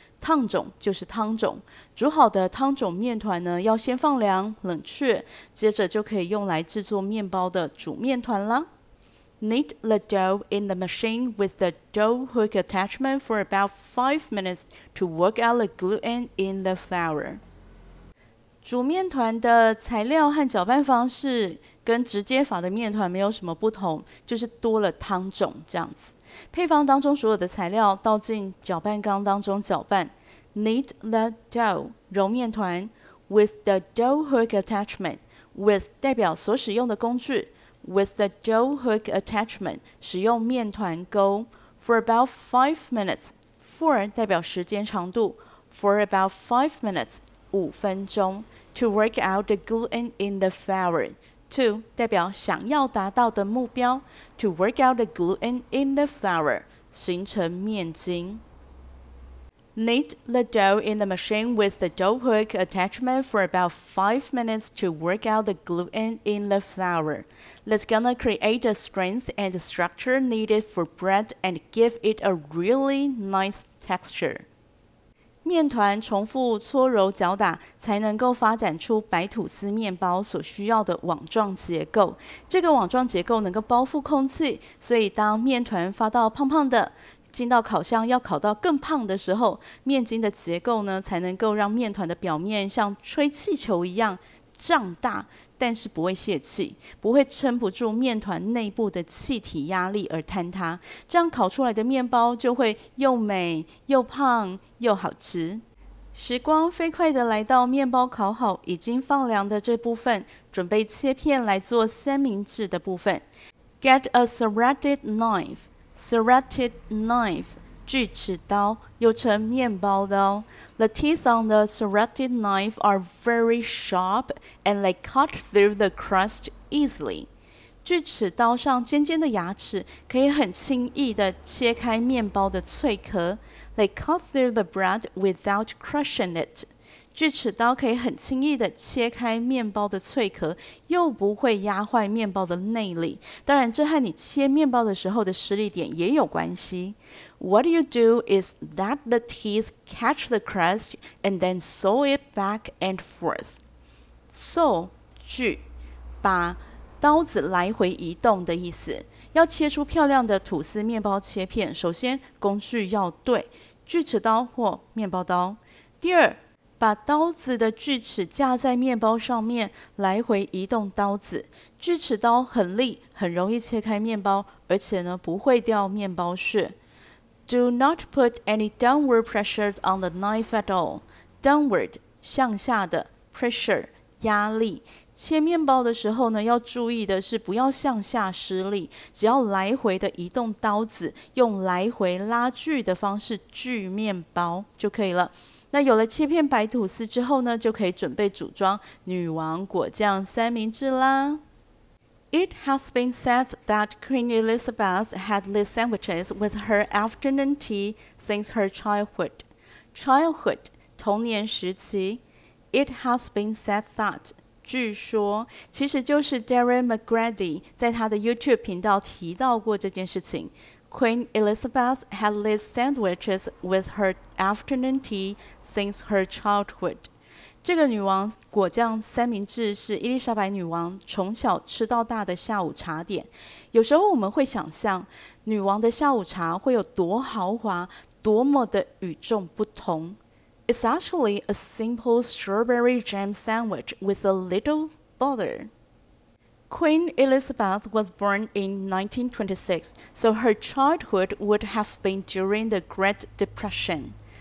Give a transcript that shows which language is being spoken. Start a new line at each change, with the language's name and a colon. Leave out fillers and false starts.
Chinese: 汤种就是汤种，煮好的汤种面团呢，要先放凉冷却，接着就可以用来制作面包的煮面团啦。
English: Knead the dough in the machine with the dough hook attachment for about 5 minutes to work out the gluten in the flour.
Chinese: 煮面团的材料和搅拌方式跟直接法的面团没有什么不同，就是多了汤种这样子。配方当中所有的材料倒进搅拌缸当中搅拌。
English: Knead the dough,
Chinese: 揉面团
English: with the dough hook attachment, with
Chinese: 代表所使用的工具。
English: With the dough hook attachment,
Chinese: 使用面团钩
English: for about 5 minutes, for
Chinese: 代表时间长度
English: for about 5 minutes,
Chinese: 五分钟
English: to work out the gluten in the flour, to
Chinese: 代表想要达到的目标
English: to work out the gluten in the flour,
Chinese: 形成面筋。
English: Knead the dough in the machine with the dough hook attachment for about 5 minutes to work out the gluten in the flour. That's gonna create the strength and structure needed for bread and give it a really nice texture.
Chinese: 面团重复搓揉搅打才能够发展出白吐司面包所需要的网状结构。这个网状结构能够包覆空气，所以当面团发到胖胖的进到烤箱要烤到更胖的时候，面筋的结构呢才能够让面团的表面像吹气球一样胀大，但是不会泄气，不会撑不住面团内部的气体压力而坍塌，这样烤出来的面包就会又美又胖又好吃。时光飞快地来到面包烤好已经放凉的这部分，准备切片来做三明治的部分。
English: Get a serrated knifeSerrated knife,
Chinese: 锯齿刀，又称面包刀。
English: The teeth on the serrated knife are very sharp and they cut through the crust easily.
Chinese: 锯齿刀上尖尖的牙齿可以很轻易地切开面包的脆壳。
English: They cut through the bread without crushing it.
Chinese: 锯齿刀可以很轻易地切开面包的脆壳，又不会压坏面包的内里。当然，这和你切面包的时候的施力点也有关系。
English: What you do is that the teeth catch the crust and then sew it back and forth.
Chinese: Sew 锯，把刀子来回移动的意思。要切出漂亮的吐司面包切片，首先工具要对，锯齿刀或面包刀。第二，把刀子的锯齿架在面包上面，来回移动刀子。锯齿刀很利，很容易切开面包，而且呢不会掉面包屑。
English: Do not put any downward pressure on the knife at all.
Chinese: Downward 向下的 pressure 压力。切面包的时候呢，要注意的是不要向下施力，只要来回的移动刀子，用来回拉锯的方式锯面包就可以了。那有了切片白吐司之后呢，就可以准备组装女王果酱三明治啦。
English: It has been said that Queen Elizabeth had these sandwiches with her afternoon tea since her childhood.
Chinese: Childhood, 童年时期。
English: It has been said that,
Chinese: 据说，其实就是 Darren McGrady 在他的 YouTube 频道提到过这件事情。
English: Queen Elizabeth had these sandwiches with her afternoon tea since her childhood.
Chinese: 这个女王果酱三明治是伊丽莎白女王从小吃到大的下午茶点。有时候我们会想象女王的下午茶会有多豪华，多么的与众不同。
English: It's actually a simple strawberry jam sandwich with a little butter. Queen Elizabeth was born in 1926, so her childhood would have been during the Great Depression.